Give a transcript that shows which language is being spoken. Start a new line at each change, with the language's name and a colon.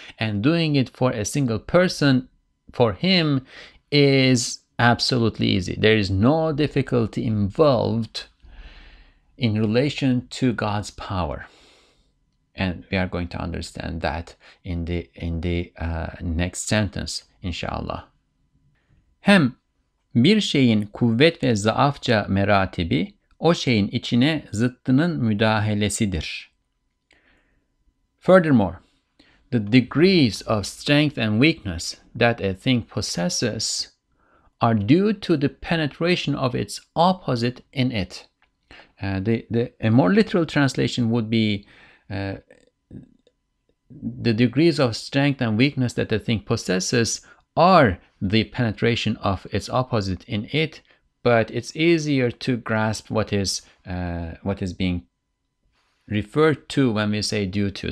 English: And doing it for a single person for him is absolutely easy. There is no difficulty involved in relation to God's power. And we are going to understand that in the next sentence, inshallah.
Turkish: Hem bir şeyin kuvvet ve zaafça meratibi, o şeyin içine zıttının müdahalesidir.
English: Furthermore, the degrees of strength and weakness that a thing possesses are due to the penetration of its opposite in it. A more literal translation would be the degrees of strength and weakness that a thing possesses are the penetration of its opposite in it, but it's easier to grasp what is being referred to when we say due to.